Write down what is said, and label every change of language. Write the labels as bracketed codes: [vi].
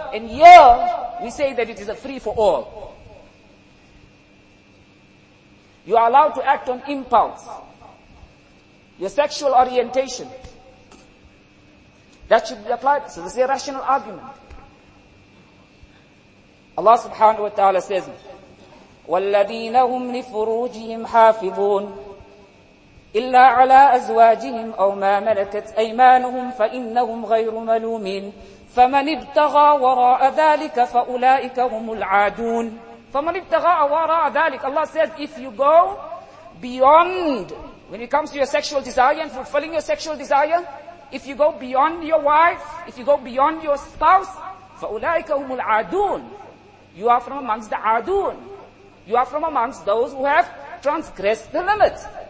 [en] And here we say that it is a free for all. You are allowed to act on impulse, your sexual orientation. That should be applied. So this is a rational argument. Allah subhanahu wa ta'ala says, [ar] وَالَّذِينَ هُمْ لِفُرُوجِهِمْ حَافِظُونَ إِلَّا عَلَىٰ أَزْوَاجِهِمْ أَوْ مَا مَلَكَتْ أَيْمَانُهُمْ فَإِنَّهُمْ غَيْرُ مَلُومِينَ فَمَنِ ابْتَغَى وَرَاءَ ذَلِكَ فَأُولَٰئِكَ هُمُ الْعَادُونَ فَمَنِ ابْتَغَى وَرَاءَ ذَلِكَ. [en] Allah says, if you go beyond, when it comes to your sexual desire and fulfilling your sexual desire, if you go beyond your wife, if you go beyond your spouse, [ar] فَأُولَٰئِكَ هُمُ الْعَادُونَ. [en] You are from amongst the adun. You are from amongst those who have transgressed the limits.